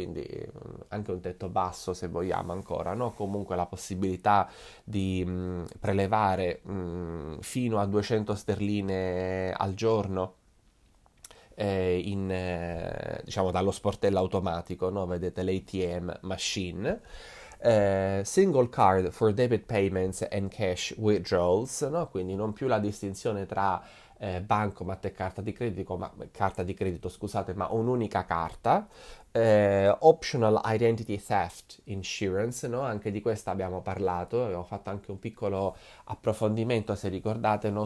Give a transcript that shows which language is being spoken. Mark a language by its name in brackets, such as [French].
[Italian] Quindi anche un tetto basso se vogliamo ancora, no? Comunque la possibilità di prelevare fino a 200 sterline al giorno diciamo dallo sportello automatico, no? Vedete l'ATM machine. [English] Single card for debit payments and cash withdrawals, no? [Italian] Quindi non più la distinzione tra bancomat e carta di credito, ma carta di credito, scusate, ma un'unica carta. [English] Optional identity theft insurance, no? [Italian] Anche di questa abbiamo parlato, abbiamo fatto anche un piccolo approfondimento, se ricordate, no?